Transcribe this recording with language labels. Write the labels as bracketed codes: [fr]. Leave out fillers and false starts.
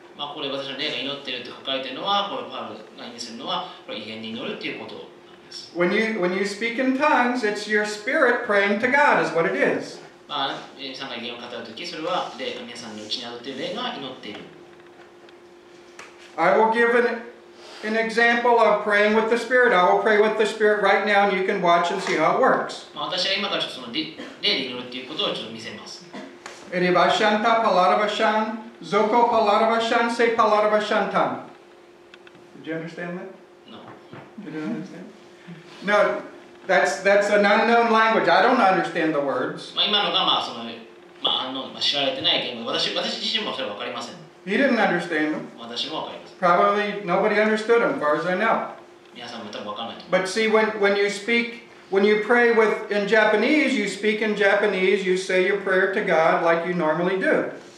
[ja] まあ、これ私の霊が祈っているって書かれているのは、これパウロが意味するのは、これ異変に祈るっていうことなんです。 [en] When you speak in tongues, it's your spirit praying to God, is what it is. [ja] まあ、皆さんが異変を語るとき、それは霊が皆さんのうちに宿っている霊が祈っている。 [en] I will give an example of praying with the Spirit. I will pray with the Spirit right now, and you can watch and see how it works. [ja] まあ、私は今からちょっとその霊で祈るっていうことをちょっと見せます。エリバシャンタパラダバシャン、ゾコパラダバシャン、セパラダバシャンタン。 [en] Did you understand that? No. You don't understand? No, that's an unknown language. I don't understand the words. [ja] まあ、今のがまあその、まあ、あの、まあ、知られてない言語。私自身もそれは分かりません。 [en] He didn't understand them. Probably nobody understood them, as far as I know. But see, when you speak, when you pray with, in Japanese, you speak in Japanese, you say your prayer to God like you normally do.